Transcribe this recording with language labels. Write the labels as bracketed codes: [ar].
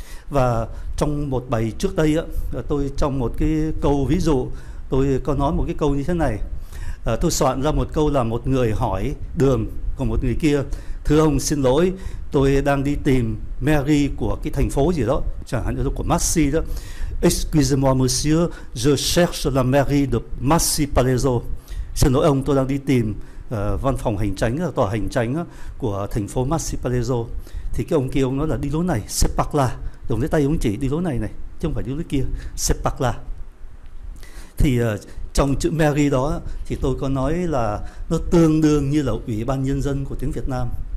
[vi] Và trong một bài trước đây á, tôi trong một cái câu ví dụ, tôi có nói một cái câu như thế này. Tôi soạn ra một câu là một người hỏi đường của một người kia: thưa ông, xin lỗi, tôi đang đi tìm mairie của cái thành phố gì đó, chẳng hạn như của Massy đó. [fr] Excusez-moi monsieur, je cherche la mairie de Massy-Palaiseau. [vi] Xin lỗi ông, tôi đang đi tìm văn phòng hành chính, tòa hành chính của thành phố Massy-Palaiseau. Thì cái ông kia ông nói là đi lối này, c'est par là, dùng cái tay ông chỉ đi lối này này, chứ không phải đi lối kia, c'est par là. Thì trong chữ mairie đó thì tôi có nói là nó tương đương như là Ủy ban Nhân dân của tiếng Việt Nam.